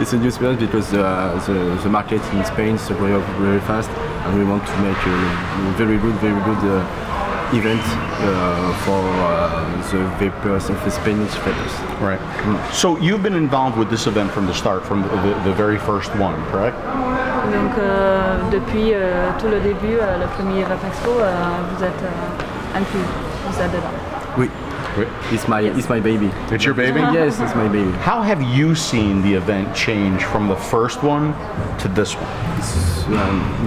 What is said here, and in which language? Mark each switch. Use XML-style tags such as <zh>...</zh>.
<en>It's a new experience because the market in Spain is growing up very fast, and we want to make a very good event for the vapors of the Spanish vapors. Right. Mm. So you've been involved with this event from the start, from the very first one, correct?</en> <fr>Donc, depuis tout le début, le premier VapExpo, vous êtes inclus. Oui.</fr> <en>It's my baby. It's your baby? Yes, it's my baby. How have you seen the event change from the first one to this one?</en>